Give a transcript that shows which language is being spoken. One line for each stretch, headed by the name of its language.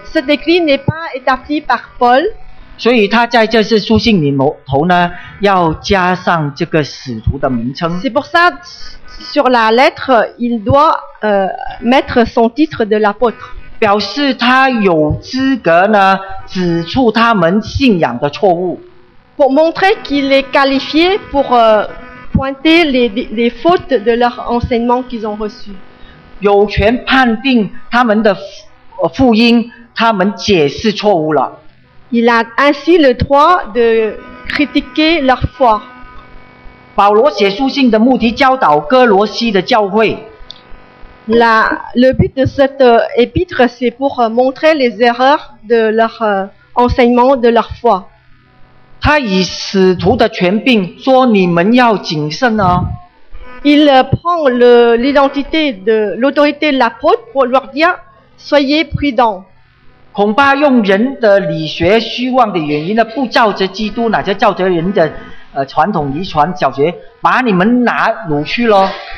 French: Cette église n'est pas établie par Paul。
Chinese: 所以他在这些书信里头呢，要加上这个使徒的名称。
French: C'est pour ça. Sur la lettre, il doit mettre son titre de l'apôtre.
Chinese: 表示他有资格呢指出他们信仰的错误。
French: Pour montrer qu'il est qualifié pour pointer les fautes de leur enseignement qu'ils ont reçu.
Chinese: 有权判定他们的福音，他们解释错误了。
French: Il a ainsi le droit de critiquer leur foi.
Chinese: 保罗写书信的目的教导哥罗西的教会。
French: Le but de cette épître, c'est pour montrer les erreurs de leur enseignement, de leur foi.
Chinese: 他以使徒的权柄说你们要谨慎啊。
French: Il prend l'identité de l'autorité de l'apôtre pour leur dire, soyez prudents.
Chinese: 恐怕用人的理学虚妄的原因呢，不照着基督，乃至照着人的传统遗传小学，把你们拿掳去咯。